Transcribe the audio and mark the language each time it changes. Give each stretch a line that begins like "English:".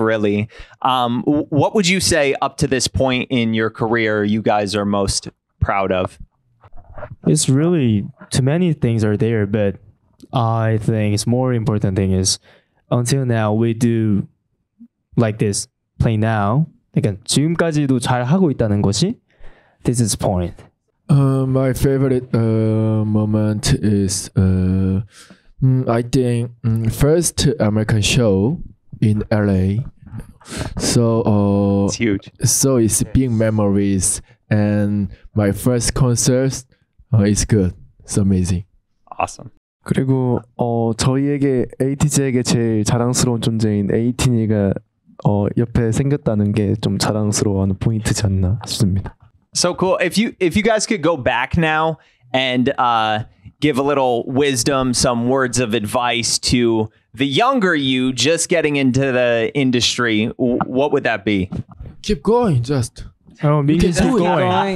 English: Really, what would you say up to this point in your career? You guys are most proud of. It's really too many things are there, but I think it's more important thing is until now we do like this play now. Again,
Korean: 지금까지도 잘 하고 있다는 것이
English: this is point. My favorite moment is I think first American show in LA. So it's huge. So it's big memories and my first concert. Oh, it's good. It's amazing. Awesome.
Korean: 그리고 저희에게 ATEEZ에게 제일 자랑스러운 존재인 에이티니가 옆에 생겼다는 게 좀 자랑스러운 포인트지 않나 싶습니다.
English: So cool. If you guys could go back now and give a little wisdom, some words of advice to the younger you just getting into the industry, what would that be? Keep going, just. Oh, me keep going. Going.